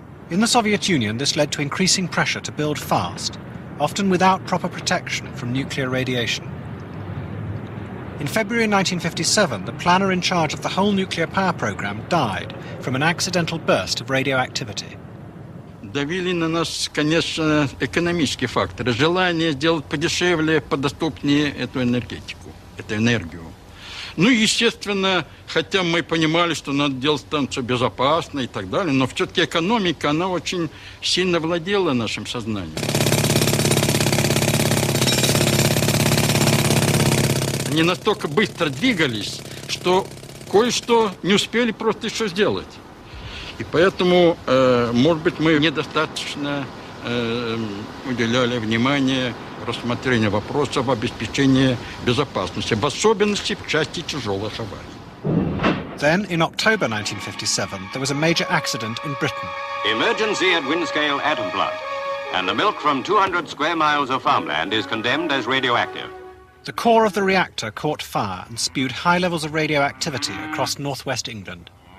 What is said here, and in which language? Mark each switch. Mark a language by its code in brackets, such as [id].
[en] In the Soviet Union, this led to increasing pressure to build fast, often without proper protection from nuclear radiation. In February 1957, the planner in charge of the whole nuclear power program died from an accidental burst of radioactivity. [ru] Давили на нас, конечно, экономические факторы, желание сделать подешевле, подоступнее эту энергетику, эту энергию. Ну, естественно, хотя мы понимали, что надо делать станцию безопасной и так далее, но все-таки экономика, она очень сильно владела нашим сознанием. Они настолько быстро двигались, что кое-что не успели просто еще сделать. И поэтому, может быть, мы недостаточно уделяли внимание рассмотрению вопросов обеспечения безопасности, в особенности в части тяжелых аварий. [en] Then, in October 1957, there was a major accident in Britain. Emergency at Windscale atom plant, and the milk from 200 square miles of farmland is condemned as radioactive. The core of the reactor caught fire and spewed high levels of radioactivity across northwest England.